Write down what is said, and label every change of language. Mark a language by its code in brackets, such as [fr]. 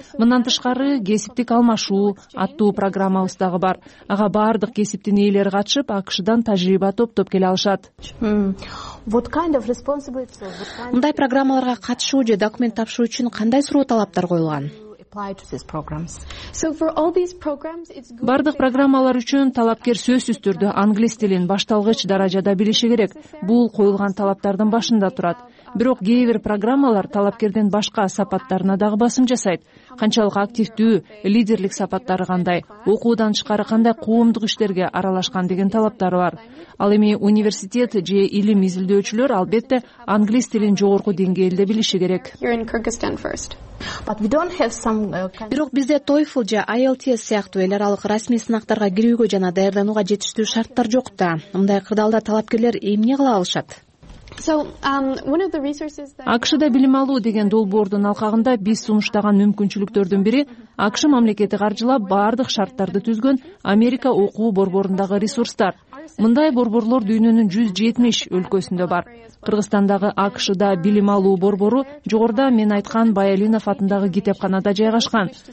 [ky] Мындан тышкары кесиптик алмашуу аттуу программабыз дагы бар. Ага баардык кесиптин ээлери катышып, АКШдан тажрыйба топтоп келе алышат. Мындай программаларга катышуу же документ тапшыруу үчүн кандай суроо талаптар коюлган? [en] So for all these programs it's good. [ky] Бардык программалар үчүн талапкер сөзсүз түрдө англис тилин башталгыч даражада билиши керек. Бул коюлган талаптардын башында турат. Бирок кээ бир программалар талапкерден башка сапаттарына дагы басым жасайт. Канчалык активдүү, лидерлик сапаттары кандай, окуудан тышкары кандай коомдук иштерге аралашкан деген талаптар бар. Ал эми университет же илим изилдөөчүлөр албетте англис тилин жогорку деңгээлде билиши керек. Бирок бизде TOEFL же IELTS сыяктуу эл аралык расмий сынактарга кирүүгө жана даярданууга жетиштүү шарттар жок да. Мындай кырдаалда талапкерлер эмне кыла алышат? [en] One of the resources that [ky] АКШда билим алуу деген долбоордун алкагында биз сунуштаган мүмкүнчүлүктөрдүн бири АКШ мамлекети каржылап баардык шарттарды түзгөн Америка окуу борборундагы ресурстар. Мындай борборлор дүйнөнүн 170 өлкөсүндө бар. Кыргызстандагы АКШ-да билим алуу борбору жогоруда мен айткан Баялинов атындагы китепканада жайгашкан.